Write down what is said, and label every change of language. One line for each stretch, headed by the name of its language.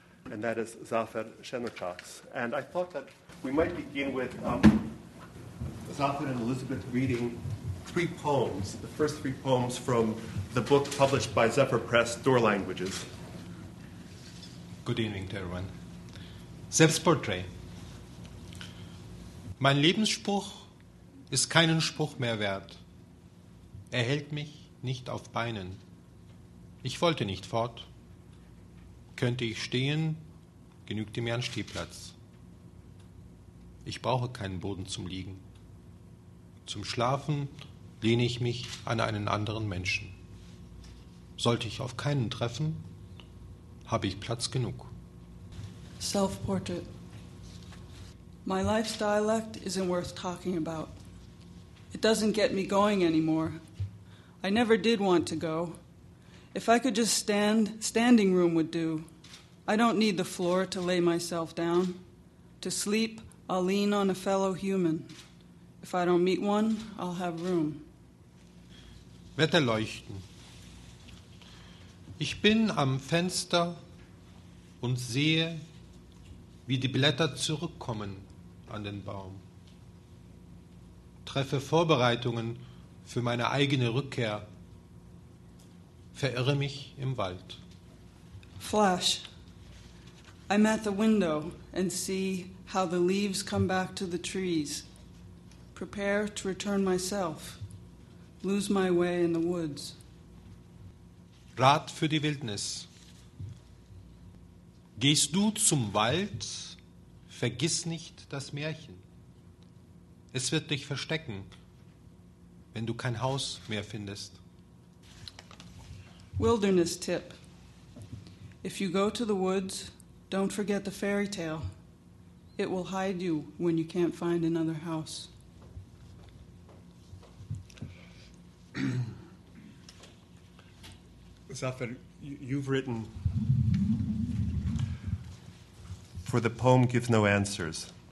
English: And that is Zafer Shenochak's. And I thought that we might begin with Zafer and Elizabeth reading three poems, the first three poems from the book published by Zephyr Press, Door Languages. Good evening to everyone.
German: Selbstporträt. Mein Lebensspruch ist keinen Spruch mehr wert. Er hält mich nicht auf Beinen. Ich wollte nicht fort. Könnte ich stehen, genügte mir ein Stehplatz. Ich brauche keinen Boden zum Liegen. Zum Schlafen lehne ich mich an einen anderen Menschen. Sollte ich auf keinen treffen, habe ich Platz genug.
English: Self-portrait. My life's dialect isn't worth talking about. It doesn't get me going anymore. I never did want to go. If I could just stand, standing room would do. I don't need the floor to lay myself down. To sleep, I'll lean on a fellow human. If I don't meet one, I'll have room.
German: Wetterleuchten. Ich bin am Fenster und sehe, wie die Blätter zurückkommen an den Baum. Treffe Vorbereitungen für meine eigene Rückkehr. Verirre mich im Wald.
English: Flash. I'm at the window and see how the leaves come back to the trees. Prepare to return myself. Lose my way in the woods.
German: Rat für die Wildnis. Gehst du zum Wald, vergiss nicht das Märchen. Es wird dich verstecken, wenn du kein Haus mehr findest.
English: Wilderness tip. If you go to the woods, don't forget the fairy tale. It will hide you when you can't find another house. Zafer, you've written, for the poem gives no answers.